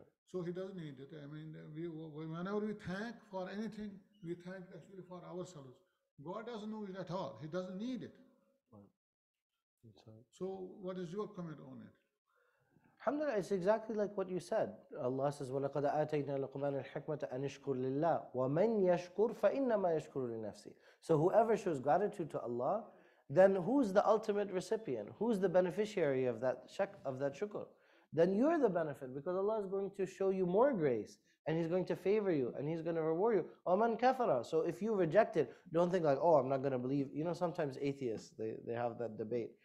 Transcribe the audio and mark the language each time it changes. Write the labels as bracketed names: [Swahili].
[English] So he doesn't need it. I mean, whenever we thank for anything, we thank actually for ourselves. God doesn't know it at all. He doesn't need it. So what is your comment on it? Alhamdulillah, it's exactly like what you said. Allah says, [Arabic] وَلَقَدْ آتَيْنَا لُقْمَانَ الْحِكْمَةَ أَنْ يَشْكُرْ لِلَّهِ وَمَنْ يَشْكُرْ فَإِنَّمَا يَشْكُرُ لِنَفْسِهِ. [English] So whoever shows gratitude to Allah, then who's the ultimate recipient? Who's the beneficiary of that shukr? Then you're the benefit, because Allah is going to show you more grace, and He's going to favor you, and He's going to reward you. [Arabic] وَمَنْ كَفَرَ. [English] So if you reject it, don't think like, oh, I'm not going to believe. You know, sometimes atheists, they have that debate.